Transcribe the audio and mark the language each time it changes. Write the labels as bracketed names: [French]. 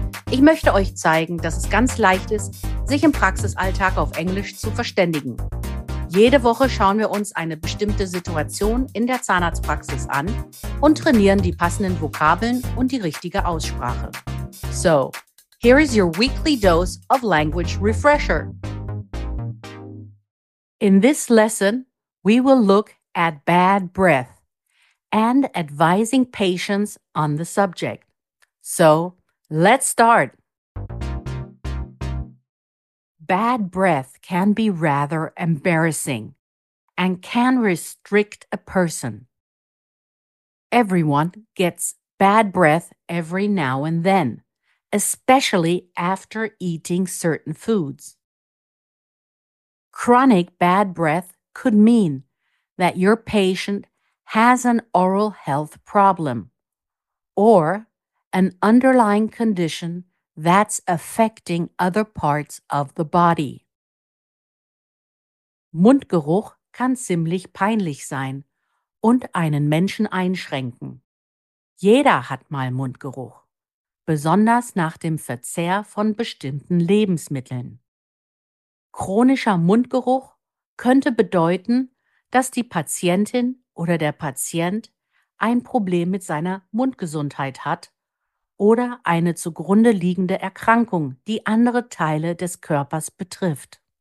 [German] Ich möchte euch zeigen, dass es ganz leicht ist, sich im Praxisalltag auf Englisch zu verständigen. Jede Woche schauen wir uns eine bestimmte Situation in der Zahnarztpraxis an und trainieren die passenden Vokabeln und die richtige Aussprache. [English] So, here is your weekly dose of language refresher. In this lesson, we will look at bad breath and advising patients on the subject. So, let's start. Bad breath can be rather embarrassing and can restrict a person. Everyone gets bad breath every now and then, especially after eating certain foods. Chronic bad breath could mean that your patient has an oral health problem or an underlying condition that's affecting other parts of the body. [German] Mundgeruch kann ziemlich peinlich sein und einen Menschen einschränken. Jeder hat mal Mundgeruch, besonders nach dem Verzehr von bestimmten Lebensmitteln. Chronischer Mundgeruch könnte bedeuten, dass die Patientin oder der Patient ein Problem mit seiner Mundgesundheit hat oder eine zugrunde liegende Erkrankung, die andere Teile des Körpers betrifft.